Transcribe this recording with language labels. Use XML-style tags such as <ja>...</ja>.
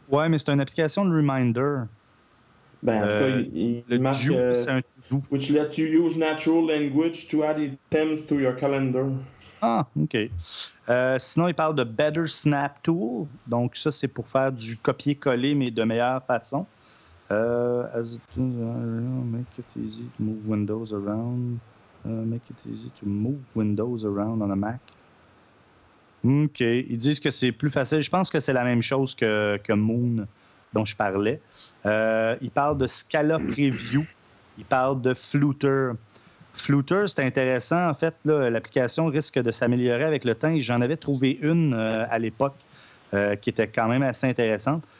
<fr>Ouais, mais c'est une application de reminder. Ben, en tout cas, il marque... C'est un to-do.</fr> <en>Which lets you use natural language to add items to your calendar.</en> <fr>Ah, OK. Sinon, il parle de Better Snap Tool. Donc ça, c'est pour faire du copier-coller, mais de meilleure façon.</fr> <en>As it turns out, make it easy to move Windows around. Make it easy to move Windows around on a Mac.</en> <fr>OK. Ils disent que c'est plus facile. Je pense que c'est la même chose que Moon dont je parlais. Ils parlent de Scala Preview. Ils parlent de Flutter. Flutter, c'est intéressant. En fait, là, l'application risque de s'améliorer avec le temps. J'en avais trouvé une à l'époque qui était quand même assez intéressante.</fr>